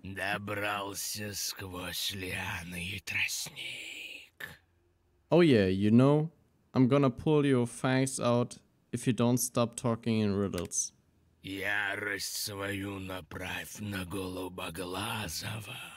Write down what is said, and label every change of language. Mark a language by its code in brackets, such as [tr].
[ru] Добрался сквозь лианы и тростник. [en] Oh yeah, you know, I'm gonna pull your fangs out if you don't stop talking in riddles. [ru] Ярость свою направь на голубоглазого.